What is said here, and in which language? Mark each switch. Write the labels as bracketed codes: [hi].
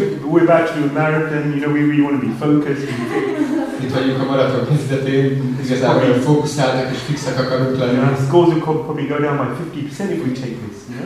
[en] We're about to do a marathon, you know, we really want to be focused. [hu] Itt vagyunk a maraton kezdetén, igazából fókuszáltak és fixek akarunk lenni. [en] Our scores will probably go down by 50% if we take this.